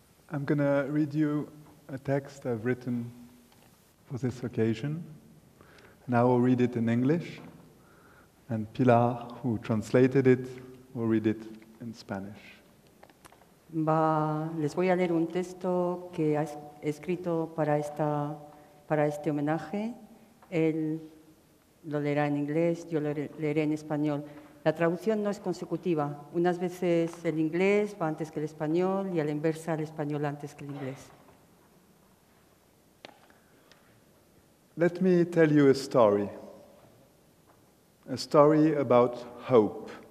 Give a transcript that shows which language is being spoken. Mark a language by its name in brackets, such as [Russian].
[English] I'm going to read you a text I've written for this occasion, and I will read it in English, and Pilar, who translated it, will read it in Spanish. [Spanish] Les voy a leer un texto que ha escrito para este homenaje. Él lo leerá en inglés, yo lo leeré en español. La traducción no es consecutiva. Unas veces el inglés va antes que el español, y a la inversa el español antes que el inglés. [English] Let me tell you a story about hope.